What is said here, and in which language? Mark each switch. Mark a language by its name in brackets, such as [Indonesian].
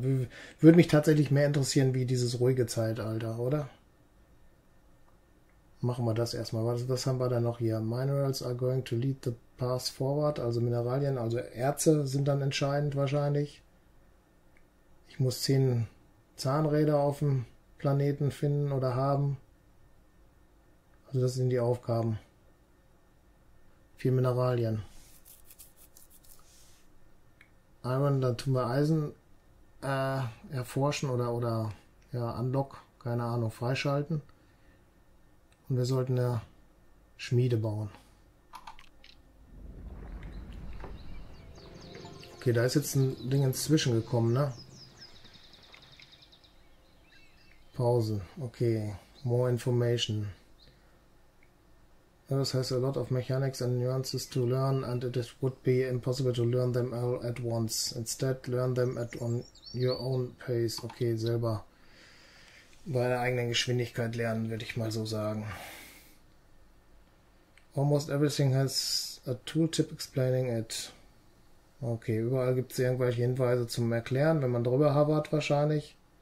[German] Würde mich tatsächlich mehr interessieren wie dieses ruhige Zeitalter, oder? Machen wir das erstmal. Was haben wir da noch hier? [English] Minerals are going to lead the path forward. [German] Also Mineralien, also Erze sind dann entscheidend wahrscheinlich. Ich muss 10 Zahnräder auf dem Planeten finden oder haben. Also das sind die Aufgaben. 4 Mineralien. Iron, dann tun wir Eisen erforschen oder ja, Unlock, keine Ahnung, freischalten. Und wir sollten eine Schmiede bauen. Okay, da ist jetzt ein Ding inzwischen gekommen, ne? [English] Pause. Okay, more information. This has a lot of mechanics and nuances to learn, and it would be impossible to learn them all at once. Instead, learn them at on your own pace. [German] Okay, selber bei der eigenen Geschwindigkeit lernen, würde ich mal so sagen. [English] Almost everything has a tooltip explaining it. [German] Okay, überall gibt es irgendwelche Hinweise zum Erklären, wenn man drüber hovert, wahrscheinlich.